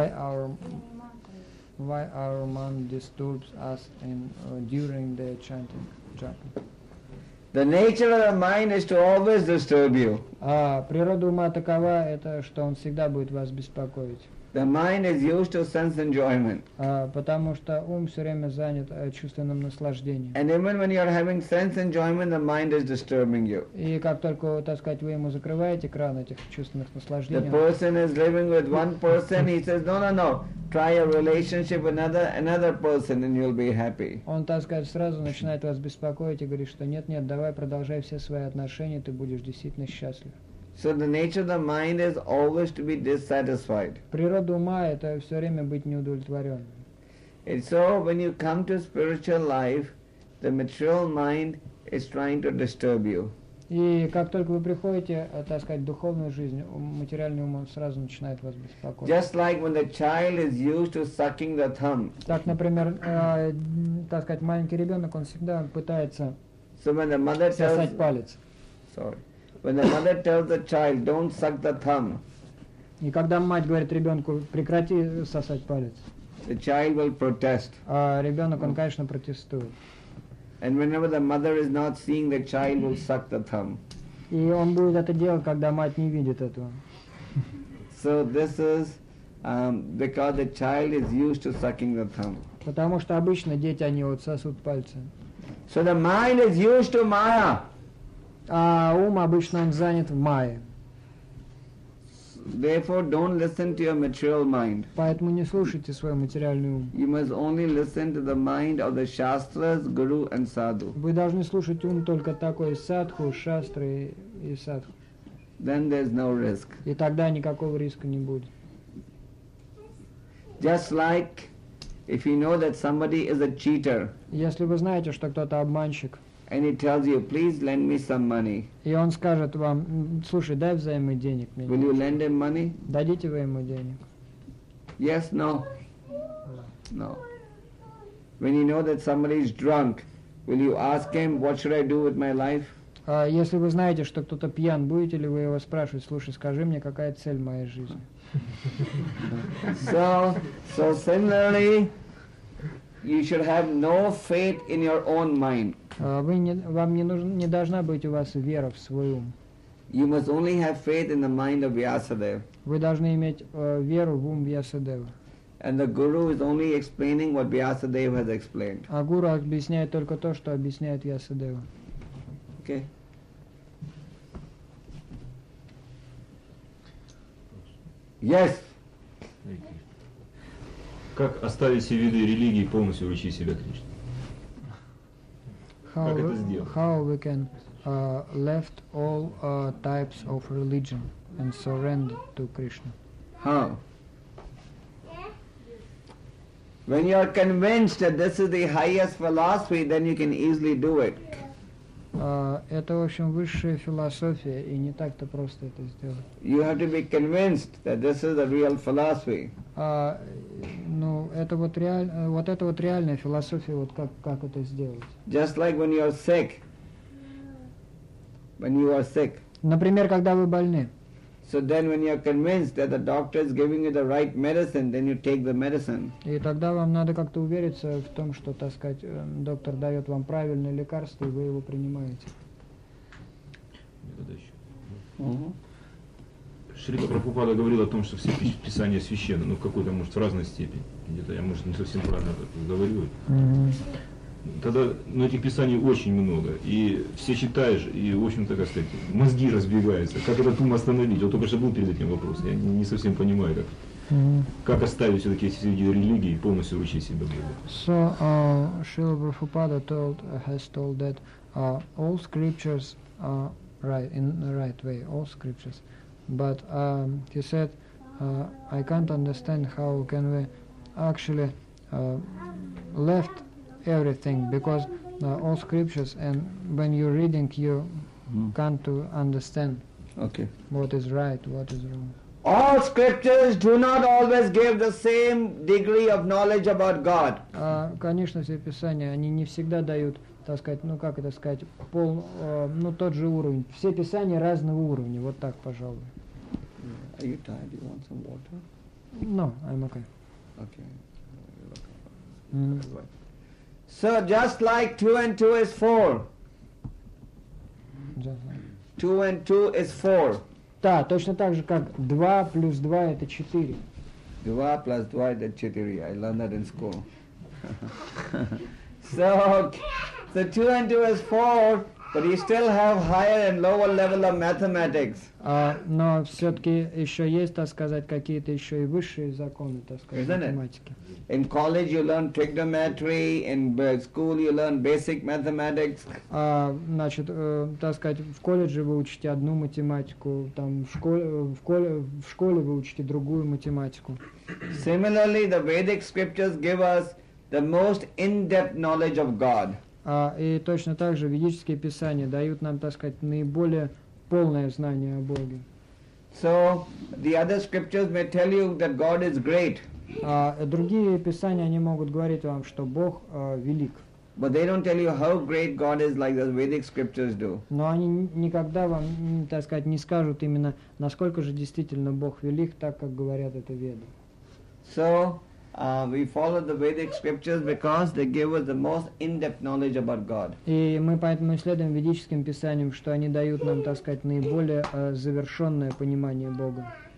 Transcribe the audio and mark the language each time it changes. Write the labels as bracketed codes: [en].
[en] Why our mind disturbs us in during the chanting japa? The nature of the mind is to always disturb you. [ru] Природа ума такова, это что он всегда будет вас беспокоить. [en] The mind is used to sense enjoyment. [ru] Потому что ум все время занят чувственным наслаждением. [en] And even when you are having sense enjoyment, the mind is disturbing you. [ru] И как только, так сказать, вы ему закрываете кран этих чувственных наслаждений. [en] The person is living with one person. He says, no. Try a relationship with another person, and you'll be happy. [ru] Он, так сказать, сразу начинает вас беспокоить и говорит, что нет, давай продолжай все свои отношения, ты будешь действительно счастлив. [en] So the nature of the mind is always to be dissatisfied. [ru] Природа ума – это все время быть неудовлетворенным. [en] And so when you come to spiritual life, the material mind is trying to disturb you. [ru] И как только вы приходите, так сказать, в духовную жизнь, материальный ум сразу начинает вас беспокоить. [en] Just like when the child is used to sucking the thumb. [ru] Так, например, так сказать, маленький ребенок, он всегда пытается [en] So when the mother tells, sorry, when the mother tells the child, don't suck the thumb. [ru] И когда мать говорит ребенку, прекрати сосать палец. [en] The child will protest. [ru] А ребенок, он, конечно, протестует. [en] And whenever the mother is not seeing, the child will suck the thumb. [ru] И он будет это делать, когда мать не видит этого. [en] So this is because the child is used to sucking the thumb. [ru] Потому что обычно дети, они вот сосут пальцы. [en] So the mind is used to Maya. [ru] А ум обычно он занят в Майе. [en] Therefore, don't listen to your material mind. [ru] Поэтому не слушайте свой материальный ум. [en] You must only listen to the mind of the shastras, guru and sadhu. [ru] Вы должны слушать ум только такой садху, шастры и садху. [en] Then there's no risk. [ru] И тогда никакого риска не будет. [en] Just like if you know that somebody is a cheater. [ru] Если вы знаете, что кто-то обманщик. [en] And he tells you, please lend me some money. [ru] И он скажет вам, слушай, дай взаймы денег мне. [en] Will you lend him money? [ru] Дадите вы ему денег? [en] Yes, no. No. When you know that somebody is drunk, will you ask him, what should I do with my life? [ru] Если вы знаете, что кто-то пьян, будете ли вы его спрашивать, слушай, скажи мне, какая цель моей жизни? [en] So similarly, you should have no faith in your own mind. [ru] Вам не должна быть у вас вера в свой ум. [en] You must only have faith in the mind of Vyasadeva. [ru] Вы должны иметь веру в ум Вьясадева. [en] And the guru is only explaining what Vyasadeva has explained. [ru] А гуру объясняет только то, что объясняет Вьясадева. [en] Okay. Yes. [ru] Как оставить все виды религии и полностью учить себя Кришне? [en] How we can left all types of religion and surrender to Krishna? How? When you are convinced that this is the highest philosophy, then you can easily do it. [ru] Это, в общем, высшая философия, и не так-то просто это сделать. [en] You have to be convinced that this is the real philosophy. [ru] Это реальная философия, вот как это сделать. [en] Just like when you are sick. When you are sick. [ru] Например, когда вы больны. [en] So then when you are convinced that the doctor is giving you the right medicine, then you take the medicine. [ru] И тогда вам надо как-то увериться в том, что, так сказать, доктор дает вам правильное лекарство, и вы его принимаете. Шрила Прабхупада говорил о том, что все писания священны, ну в какой-то, может, в разной степени. Где-то я, может, не совсем правильно говорю. Тогда, ну, этих писаний очень много, и все читаешь, и, в общем-то, как сказать, мозги разбегаются. Как этот ум остановить? Вот только что был перед этим вопрос, я не совсем понимаю, как. Как оставить все-таки эти виды религии и полностью учить себя Богу? [en] So, Шрила Прабхупада has told that all scriptures are right, in the right way, all scriptures. But he said, I can't understand how can we actually left everything, because all scriptures, and when you're reading, you can't to understand what is right, what is wrong. All scriptures do not always give the same degree of knowledge about God. [ru] Конечно, все писания, они не всегда дают, так сказать, ну как это сказать, тот же уровень. Все писания разного уровня, вот так, пожалуй. [en] Are you tired? Do you want some water? No, I'm okay. Okay. So just like 2 and 2 is 4. Just like. 2 and 2 is 4. [ru] Да, точно так же, как 2 + 2 = 4. [en] 2 + 2 = 4. I learned that in school. So 2 and 2 is 4. But you still have higher and lower level of mathematics. [ru] Но все-таки еще есть, так сказать, какие-то еще и высшие законы, так сказать, математики. [en] In college you learn trigonometry, in school you learn basic mathematics. [ru] Так сказать, в колледже вы учите одну математику, там в школе вы учите другую математику. [en] Similarly, the Vedic scriptures give us the most in-depth knowledge of God. [ru] И точно так же ведические писания дают нам, так сказать, наиболее полное знание о Боге. [en] So, the other scriptures may tell you that God is great. [ru] Другие писания, они могут говорить вам, что Бог велик. [en] But they don't tell you how great God is like the Vedic scriptures do. [ru] Но они никогда вам, так сказать, не скажут именно, насколько же действительно Бог велик, так как говорят это веды. [en] So, we follow the Vedic scriptures because they give us the most in-depth knowledge about God. [ru] И мы поэтому исследуем ведическим писанием, что они дают нам, так сказать, наиболее завершенное понимание Бога.